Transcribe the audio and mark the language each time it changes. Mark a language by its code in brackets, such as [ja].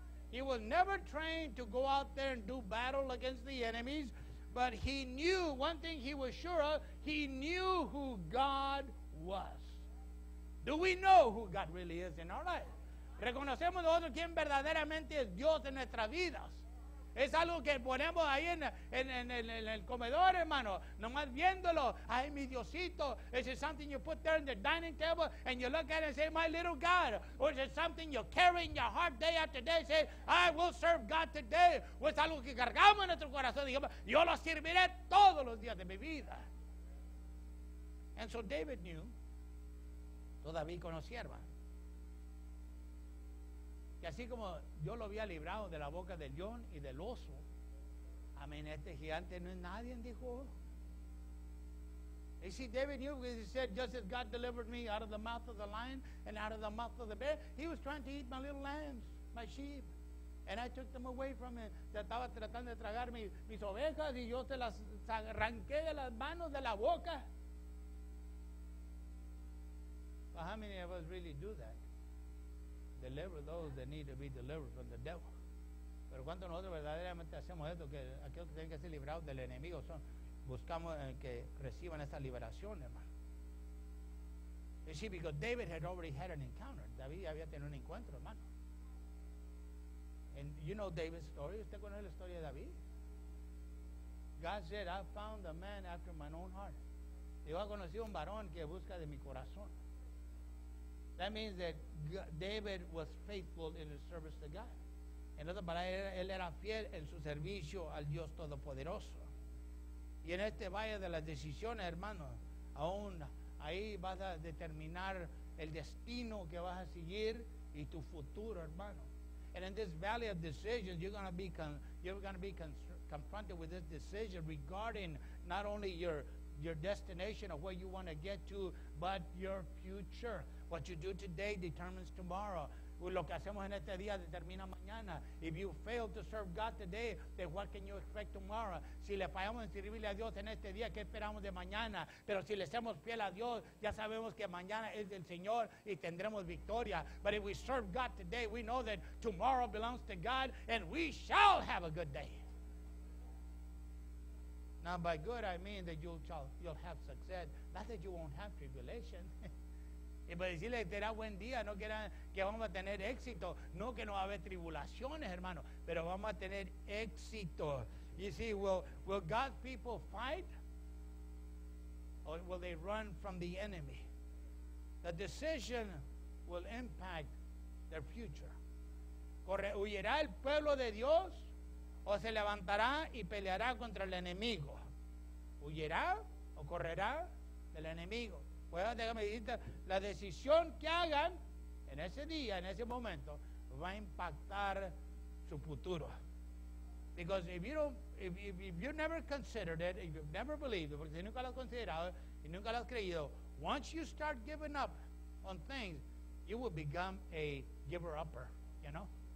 [en] He was never trained to go out there and do battle against the enemies, but he knew, one thing he was sure of, he knew who God was. Do we know who God really is in our life? [es] Reconocemos nosotros quién verdaderamente es Dios en nuestras vidas. Es algo que ponemos ahí en el comedor, hermano, nomás viéndolo. Ay, mi Diosito. [en] Is it something you put there in the dining table and you look at it and say, my little God? Or is it something you carry in your heart day after day and say, I will serve God today? [es] O es algo que cargamos en nuestro corazón y dijimos, yo lo serviré todos los días de mi vida. [en] And so David knew. [es] Todavía conocía, hermano. Y así como yo lo había librado de la boca del león y del oso, amén, este gigante no es nadie, dijo. [en] You see, David knew, because he said, just as God delivered me out of the mouth of the lion and out of the mouth of the bear, he was trying to eat my little lambs, my sheep, and I took them away from him. [es] Ya estaba tratando de tragar mis ovejas y yo se las arranqué de las manos de la boca. [en] But how many of us really do that? Deliver those that need to be delivered from the devil. [es] Pero cuando nosotros verdaderamente hacemos esto, que aquellos que tienen que ser librados del enemigo son, buscamos que reciban esa liberación, hermano. [en] You see, because David had already had an encounter. [es] David había tenido un encuentro, hermano. [en] And you know David's story. [es] ¿Usted conoce la historia de David? [en] God said, I found a man after my own heart. [es] Yo he conocido un varón que busca de mi corazón. [en] That means that David was faithful in his service to God. [es] En otras palabras, él era fiel en su servicio al Dios Todopoderoso. Y en este valle de las decisiones, hermano, aún ahí vas a determinar el destino que vas a seguir y tu futuro, hermano. [en] And in this valley of decisions, you're going to be confronted with this decision regarding not only your destination or where you want to get to, but your future. What you do today determines tomorrow. [es] Lo que hacemos en este día determina mañana. [en] If you fail to serve God today, then what can you expect tomorrow? [es] Si le fallamos en servirle a Dios en este día, ¿qué esperamos de mañana? Pero si le hacemos fiel a Dios, ya sabemos que mañana es del Señor y tendremos victoria. [en] But if we serve God today, we know that tomorrow belongs to God and we shall have a good day. Now by good, I mean that you'll have success. Not that you won't have tribulation. [es] Y para decirle que será buen día, no quieran que vamos a tener éxito. No que no va a haber tribulaciones, hermano, pero vamos a tener éxito. [en] You see, will God's people fight? Or will they run from the enemy? The decision will impact their future. [es] ¿Huirá el pueblo de Dios? ¿O se levantará y peleará contra el enemigo? ¿Huirá o correrá del enemigo? Pues déjame decirte, la decisión que hagan en ese día, en ese momento, va a impactar su futuro. [en] Because if you never considered it, if you've never believed it, [es] porque si nunca lo has considerado y nunca lo has creído, [en] once you start giving up on things, you will become a giver-upper, you know?